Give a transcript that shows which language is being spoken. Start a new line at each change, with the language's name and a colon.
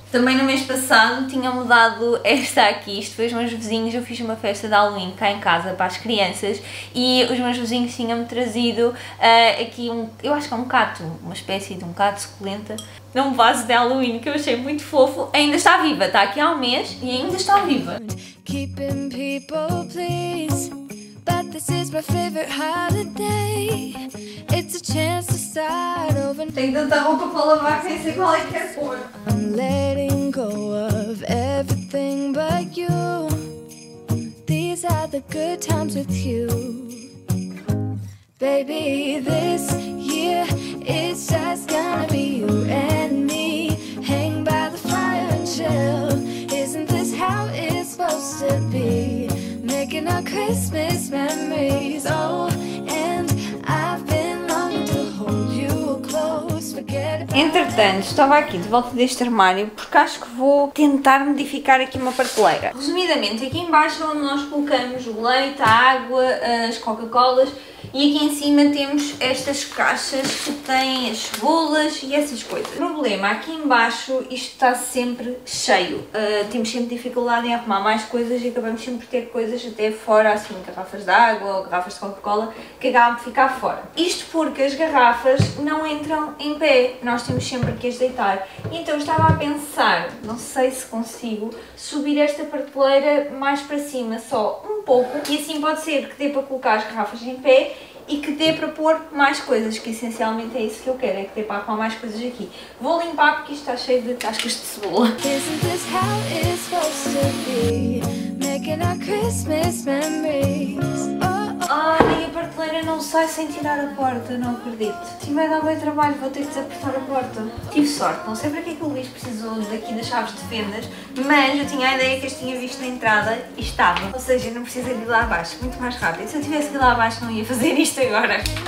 Portuguese: Também no mês passado tinha mudado esta aqui, isto foi os meus vizinhos, eu fiz uma festa de Halloween cá em casa para as crianças e os meus vizinhos tinham-me trazido aqui um, eu acho que é um cato, uma espécie de um cato suculenta, num vaso de Halloween que eu achei muito fofo. Ainda está viva, está aqui há um mês e ainda está viva.
English: Keeping people, please. But this is my favorite holiday. It's a chance to start over.
Portuguese: Tenho tanta roupa para lavar que nem sei qual é que é pôr.
English: I'm letting go of everything but you. These are the good times with you. Baby, this year it's just gonna be you and me. Hang by the fire and chill. Isn't this how it's supposed to be? Making our Christmas memories. Oh, and I've been longing to hold you close. Forget about
Portuguese: Portanto, estava aqui de volta deste armário porque acho que vou tentar modificar aqui uma prateleira. Resumidamente, aqui em baixo é onde nós colocamos o leite, a água, as Coca-Colas, e aqui em cima temos estas caixas que têm as cebolas e essas coisas. O problema, aqui em baixo isto está sempre cheio. Temos sempre dificuldade em arrumar mais coisas e acabamos sempre por ter coisas até fora, assim, garrafas de água ou garrafas de Coca-Cola, que acabam de ficar fora. Isto porque as garrafas não entram em pé, nós temos sempre que as deitar. Então estava a pensar, não sei se consigo, subir esta prateleira mais para cima, só um pouco, e assim pode ser que dê para colocar as garrafas em pé e que dê para pôr mais coisas, que essencialmente é isso que eu quero, é que dê para arrumar mais coisas aqui. Vou limpar porque isto está cheio de cascas de cebola.
English: Isn't this how it's supposed to be? Making our Christmas memories.
Portuguese: Ai, a prateleira não sai sem tirar a porta, não acredito. Se vai dar bem trabalho, vou ter que desapertar a porta. Tive sorte, não sei para que é que o Luís precisou daqui das chaves de fendas, mas eu tinha a ideia que as tinha visto na entrada e estava. Ou seja, não precisa ir lá abaixo, muito mais rápido. Se eu tivesse ido lá abaixo, não ia fazer isto agora.